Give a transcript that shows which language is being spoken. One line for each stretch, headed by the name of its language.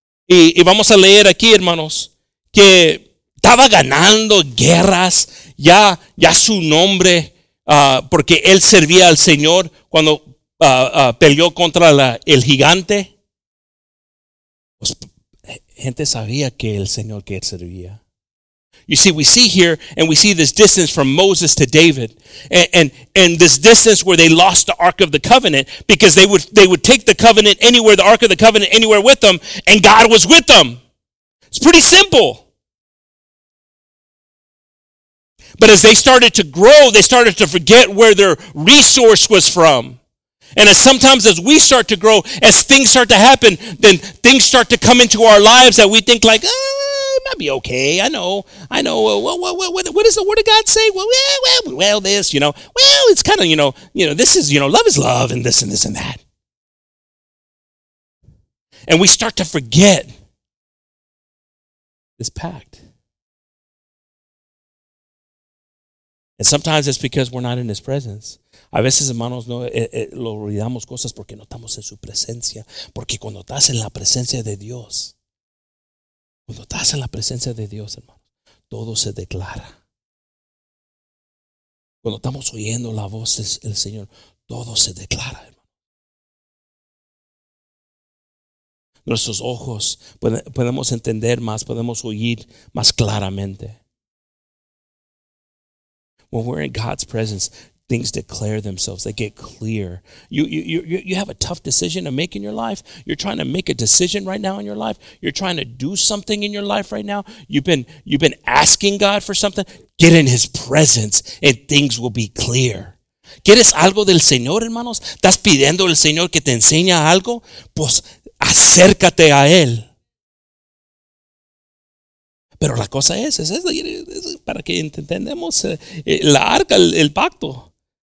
Spanish: Y vamos a leer aquí, hermanos, que estaba ganando guerras, ya su nombre, porque él servía al Señor cuando peleó contra el gigante. Pues, gente sabía que el Señor que él servía.
English: You see, we see here, and we see this distance from Moses to David, and this distance where they lost the Ark of the Covenant, because they would take the covenant anywhere, the Ark of the Covenant anywhere with them, and God was with them. It's pretty simple. But as they started to grow, they started to forget where their resource was from. And as sometimes as we start to grow, as things start to happen, then things start to come into our lives that we think like, ah, I'll be okay. I know. What does the word of God say? Well, this, you know. Well, it's kind of, you know, this is, you know, love is love and this and this and that. And we start to forget this pact. And sometimes it's because we're not in his presence.
Spanish: A veces, hermanos, no lo olvidamos cosas porque no estamos en su presencia. Porque cuando estás en la presencia de Dios, cuando estás en la presencia de Dios, hermano, todo se declara. Cuando estamos oyendo la voz del Señor, todo se declara, hermano. Nuestros ojos podemos entender más, podemos oír más claramente.
English: When we're in God's presence, things declare themselves. They get clear. You have a tough decision to make in your life. You're trying to make a decision right now in your life. You're trying to do something in your life right now. You've been asking God for something. Get in his presence and things will be clear.
Spanish: ¿Quieres algo del Señor, hermanos? ¿Estás pidiendo al Señor que te enseñe algo? Pues acércate a él. Pero la cosa es para que entendamos la arca, el pacto.